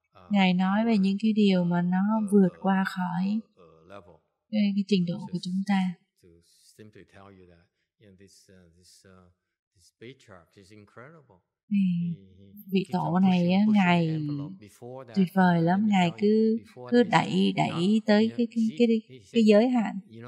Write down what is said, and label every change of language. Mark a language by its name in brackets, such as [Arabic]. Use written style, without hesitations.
[Vietnamese] Ngài nói về những cái điều mà nó vượt qua khỏi [English] level. [Vietnamese] Cái trình độ của chúng ta. [English] To simply tell you that, you know, this Patriarch is incredible. [Vietnamese] Vị tổ này á, ngài tuyệt vời lắm, ngài cứ đẩy tới cái giới hạn.